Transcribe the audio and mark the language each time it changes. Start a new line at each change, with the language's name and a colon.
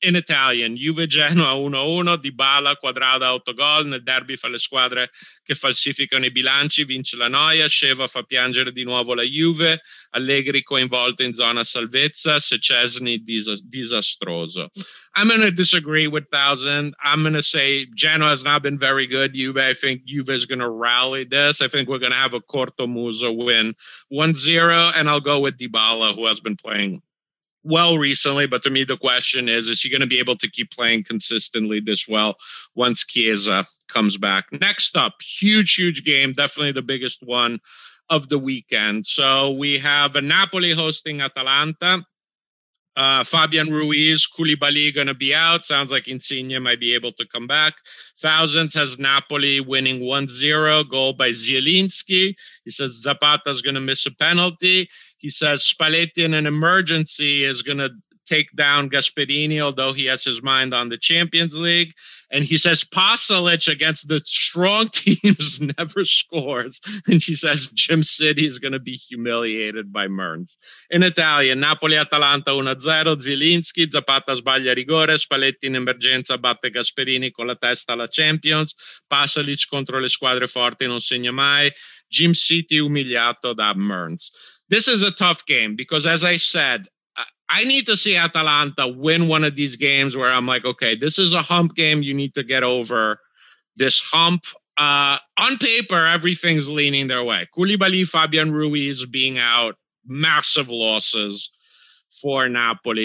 English: In Italian,
Italian: Juve Genoa 1-1, Dybala, Cuadrado, autogol nel derby fra le squadre che falsificano i bilanci, vince la noia, Sheva fa piangere di nuovo la Juve, Allegri coinvolto in zona salvezza, Szczesny disastroso.
English: I'm going to disagree with Thousand. I'm going to say Genoa has not been very good. Juve, I think Juve is going to rally this. I think we're going to have a Corto Muso win 1-0, and I'll go with Dybala, who has been playing well recently, but to me the question is he going to be able to keep playing consistently this well once Chiesa comes back? Next up, huge game, definitely the biggest one of the weekend. So we have a Napoli hosting Atalanta. Fabian Ruiz, Koulibaly going to be out. Sounds like Insigne might be able to come back. Thousands has Napoli winning 1-0, goal by Zielinski. He says Zapata's going to miss a penalty. He says Spalletti in an emergency is going to take down Gasperini, although he has his mind on the Champions League. And he says Pasalic against the strong teams never scores. And he says Jim City is going to be humiliated by Mertens. In Italian,
Italian: Napoli-Atalanta 1-0, Zielinski, Zapata sbaglia rigore, Spalletti in emergenza batte Gasperini con la testa alla Champions, Pasalic contro le squadre forti non segna mai, Jim City umiliato da Mertens.
English: This is a tough game because, as I said, I need to see Atalanta win one of these games where I'm like, okay, this is a hump game. You need to get over this hump. On paper, everything's leaning their way. Koulibaly, Fabian Ruiz being out, massive losses for Napoli.